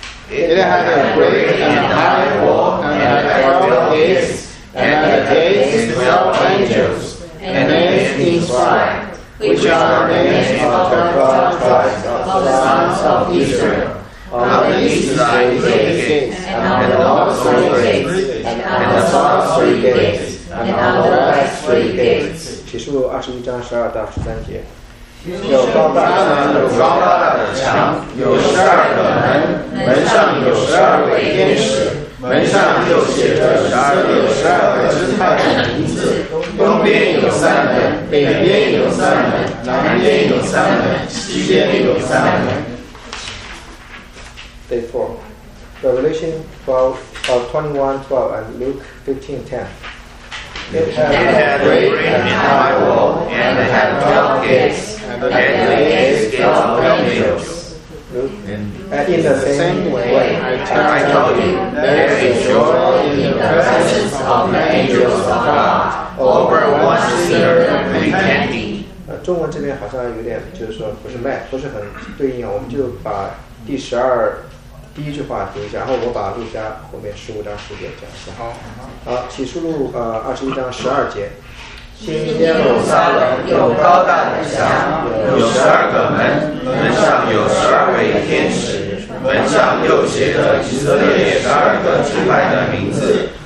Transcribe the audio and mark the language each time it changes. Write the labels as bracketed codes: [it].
[en] It had a great and high wall, and had 12 gates, and the gates 12 angels, and names inscribed. Which are the names of the 12 tribes of the sons of Israel. On the east side is the gates, and on the north three gates, and on the south three gates, and on the west three gates. [zh] 启示录二十一章十二到十三节。有高大的墙，有高大的墙，有十二个门，门上有十二位天使，门上又写着十二个支派的名字。东边有三门，北边有三门，南边有三门，西边有三门。 [en] Day 4. Revelation 21:12 and Luke 15:10. It had a great and high wall, and it had 12 gates, and the gates of angels. And in the same way, I tell you, there is joy in the presence of the angels of God over one sinner repenting. [zh] 中文这边好像有点就是说不是 match 不是很对应，我们就把第十二第一句话读一下，然后我把路加后面十五章十节讲一下。好，启示录二十一章十二节。新耶路撒冷有高大的墙，有十二个门，门上有十二位天使，门上又写着以色列十二个支派的名字。